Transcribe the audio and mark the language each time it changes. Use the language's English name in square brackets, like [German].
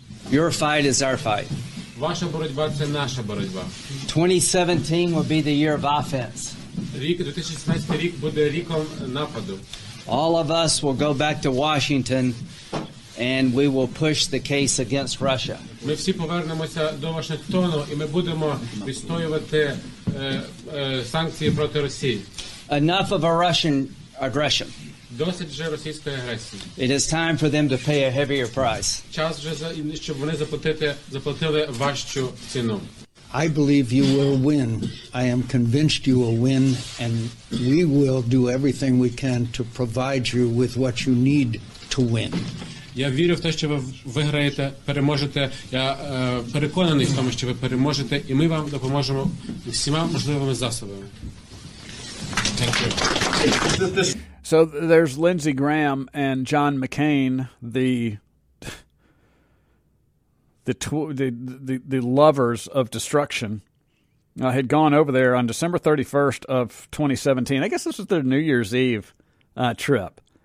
[English] Your fight is our fight. 2017 will be the year of offense. All of us will go back to Washington and we will push the case against Russia. [Ukrainian] Ми всі повернемося до Вашингтону, і ми будемо відстоювати санкції проти Росії. [English] Enough of a Russian aggression. [Ukrainian] Досить вже російської агресії. [English] It is time for them to pay a heavier price. [Ukrainian] Час вже за щоб вони заплатили важчу ціну. [English] I believe you will win. I am convinced you will win, and we will do everything we can to provide you with what you need to win. [Ukrainian] Я вірю в те, що ви виграєте, переможете. Я переконаний в тому, що ви переможете, і ми вам допоможемо всіма можливими засобами. [English] Thank you. So there's Lindsey Graham and John McCain, the lovers of destruction. I had gone over there on December 31st of 2017. I guess this was their New Year's Eve trip.